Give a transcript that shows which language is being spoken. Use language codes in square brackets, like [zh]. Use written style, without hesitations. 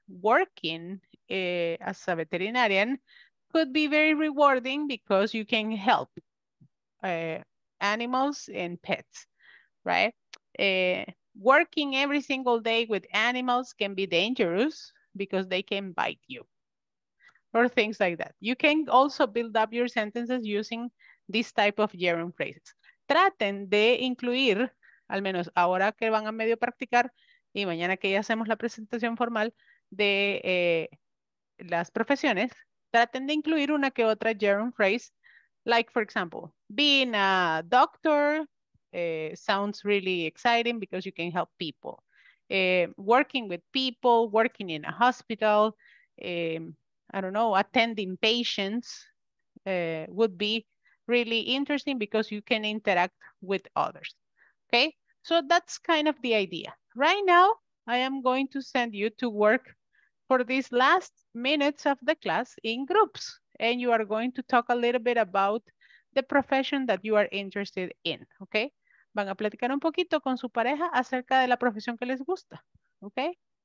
[en] Working as a veterinarian could be very rewarding because you can help animals and pets, right? Working every single day with animals can be dangerous because they can bite you or things like that. You can also build up your sentences using this type of gerund phrases. [es] Traten de incluir, al menos ahora que van a medio practicar y mañana que ya hacemos la presentación formal de las profesiones, traten de incluir una que otra gerund phrase. [en] Like, for example, being a doctor sounds really exciting because you can help people. Working with people, working in a hospital, I don't know, attending patients would be really interesting because you can interact with others. Okay, so that's kind of the idea. Right now, I am going to send you to work for these last minutes of the class in groups. And you are going to talk a little bit about the profession that you are interested in, okay? [es] Van a platicar un poquito con su pareja acerca de la profesión que les gusta, okay?